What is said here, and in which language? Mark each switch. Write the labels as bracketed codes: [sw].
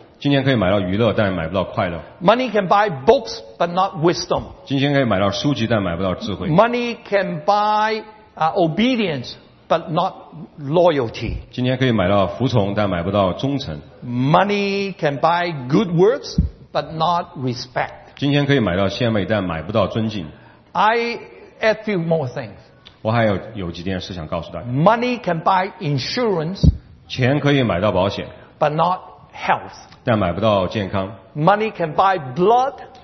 [zh] 金钱可以买到娱乐，但买不到快乐。 [en] Money can buy books, but not wisdom. [zh] 金钱可以买到书籍，但买不到智慧。 [en] Money can buy obedience. But not loyalty. [zh] 今天可以买到服从，但买不到忠诚。 [en] Money can buy good words, but not respect. [zh] 今天可以买到献媚，但买不到尊敬。 [en] I add a few more things. [zh] 我还有几件事想告诉大家。 [en] Money can buy insurance. [zh] 钱可以买到保险。 [en] But not health. [zh] 但买不到健康。 [en] Money can buy blood.